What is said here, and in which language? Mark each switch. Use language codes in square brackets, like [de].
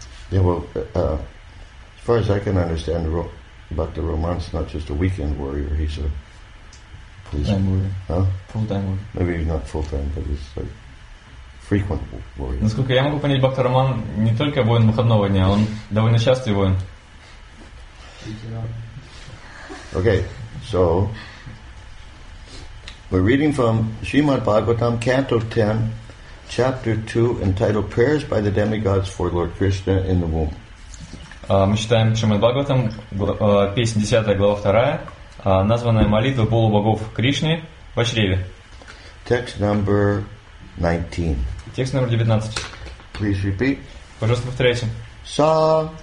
[en] Yeah, well, as far as I can understand about the Roman, it's not just a weekend warrior, he's a... Full-time warrior. Huh? Full-time warrior. Maybe he's not full-time, but he's like... Frequent warrior. [ru] Насколько я могу понять, Бхакта Роман не только воин выходного дня, он довольно частый воин. [en] Okay, so we're reading from Srimad Bhagavatam, Canto 10, Chapter 2, entitled Prayers by the Demigods for Lord Krishna in the Womb. [ru] Мы читаем Шримад Бхагаватам, песня 10, глава 2, названная Молитва полубогов Кришне в чреве. [en] Text number 19. [ru] Текст номер 19. [en] Please repeat. [ru] Пожалуйста, повторяйте. Са.